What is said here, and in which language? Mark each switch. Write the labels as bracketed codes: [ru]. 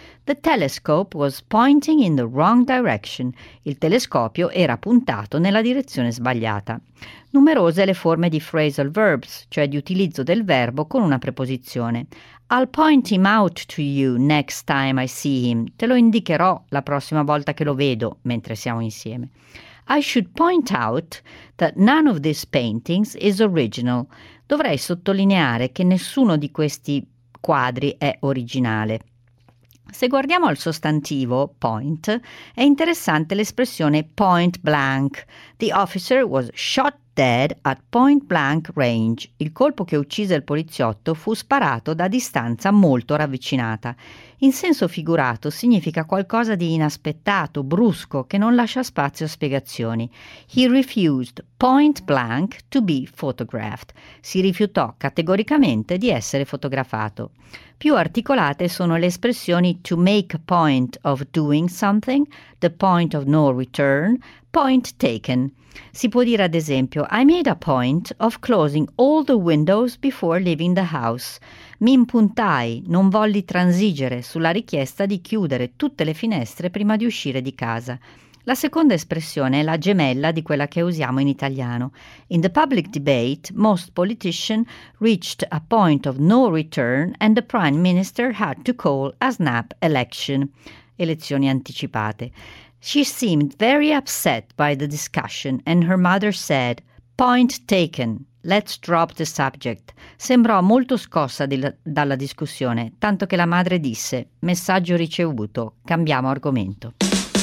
[en] The telescope was pointing in the wrong direction. [it] Il telescopio era puntato nella direzione sbagliata. Numerose le forme di phrasal verbs, cioè di utilizzo del verbo con una preposizione. [en] I'll point him out to you next time I see him. [it] Te lo indicherò la prossima volta che lo vedo mentre siamo insieme. [en] I should point out that none of these paintings is original. [it] Dovrei sottolineare che nessuno di questi quadri è originale. Se guardiamo al sostantivo point, è interessante l'espressione point blank. [en] The officer was shot dead at point blank range. [it] Il colpo che uccise il poliziotto fu sparato da distanza molto ravvicinata. In senso figurato significa qualcosa di inaspettato, brusco, che non lascia spazio a spiegazioni. [en] He refused point blank to be photographed. [it] Si rifiutò categoricamente di essere fotografato. Più articolate sono le espressioni [en] to make a point of doing something, the point of no return, point taken. [it] Si può dire ad esempio, [en] I made a point of closing all the windows before leaving the house. [it] Mi impuntai, non volli transigere sulla richiesta di chiudere tutte le finestre prima di uscire di casa. La seconda espressione è la gemella di quella che usiamo in italiano. [en] In the public debate, most politicians reached a point of no return and the prime minister had to call a snap election. [it] Elezioni anticipate. [en] She seemed very upset by the discussion and her mother said, point taken, let's drop the subject. [it] Sembrò molto scossa dalla discussione, tanto che la madre disse, messaggio ricevuto, cambiamo argomento.